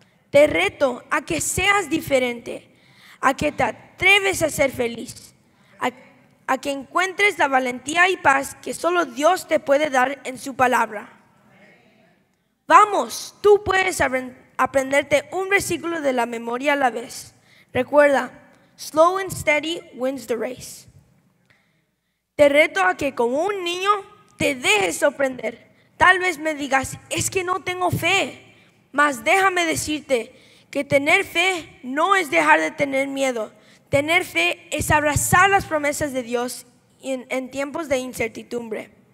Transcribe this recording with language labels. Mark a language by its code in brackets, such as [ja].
[es] Te reto a que seas diferente, a que te atreves a ser feliz, a que encuentres la valentía y paz que solo Dios te puede dar en su palabra. Vamos, tú puedes aprenderte un versículo de la memoria a la vez. Recuerda, [en] slow and steady wins the race. [es] Te reto a que como un niño te dejes sorprender. Tal vez me digas, es que no tengo fe. Mas déjame decirte que tener fe no es dejar de tener miedo. Tener fe es abrazar las promesas de Dios en tiempos de incertidumbre.